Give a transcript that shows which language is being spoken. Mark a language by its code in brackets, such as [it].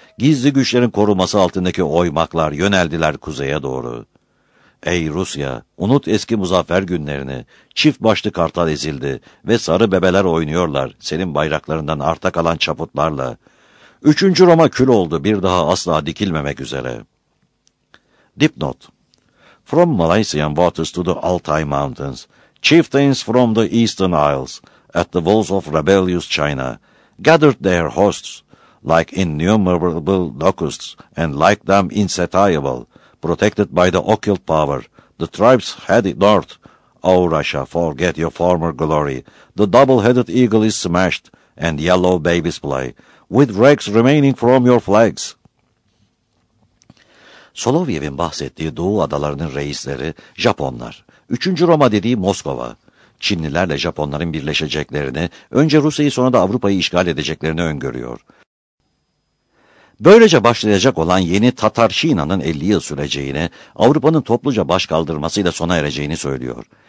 [tr] Gizli güçlerin koruması altındaki oymaklar yöneldiler kuzeye doğru. Ey Rusya, unut eski muzaffer günlerini. Çift başlı kartal ezildi ve sarı bebeler oynuyorlar senin bayraklarından arta kalan çaputlarla. Üçüncü Roma kül oldu, bir daha asla dikilmemek üzere. Dipnot. [en] From Malaysian waters to the Altai Mountains, chieftains from the Eastern Isles, at the walls of rebellious China, gathered their hosts, like innumerable locusts, and like them insatiable, protected by the occult power, the tribes headed north. O Russia, forget your former glory, the double-headed eagle is smashed, and yellow babies play, with wrecks remaining from your flags. [tr] Solovyev'in bahsettiği Doğu adalarının reisleri Japonlar. Üçüncü Roma dediği Moskova. Çinlilerle Japonların birleşeceklerini, önce Rusya'yı sonra da Avrupa'yı işgal edeceklerini öngörüyor. Böylece başlayacak olan yeni Tatarşina'nın 50 yıl süreceğini, Avrupa'nın topluca başkaldırmasıyla sona ereceğini söylüyor.